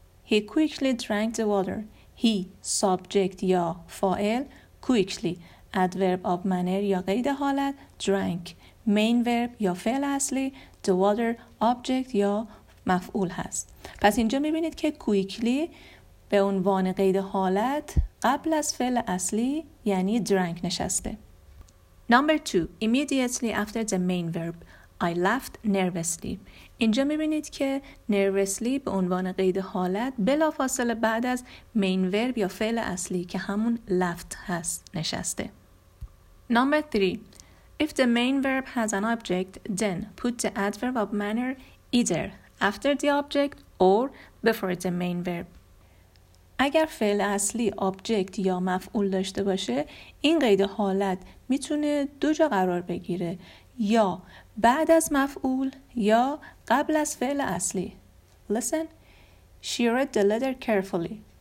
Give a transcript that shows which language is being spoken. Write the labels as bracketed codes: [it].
[en] He quickly drank the water. He subject [fa] یا فاعل [en] quickly adverb of manner [fa] یا قید حالت [en] drank main verb [fa] یا فعل اصلی [en] the water object [fa] یا مفعول هست. پس اینجا میبینید که quickly به عنوان قید حالت قبل از فعل اصلی یعنی drank نشسته. [en] Number 2 immediately after the main verb I laughed nervously. [fa] اینجا میبینید که nervously به عنوان قید حالت بلافاصله بعد از main verb یا فعل اصلی که همون laughed هست نشسته. [en] Number 3 If the main verb has an object, then put the adverb of manner either after the object or before the main verb. [fa] اگر فعل اصلی object یا مفعول داشته باشه، این قید حالت میتونه دو جا قرار بگیره، یا بعد از مفعول یا قبل از فعل اصلی. [en] Listen. She read the letter carefully.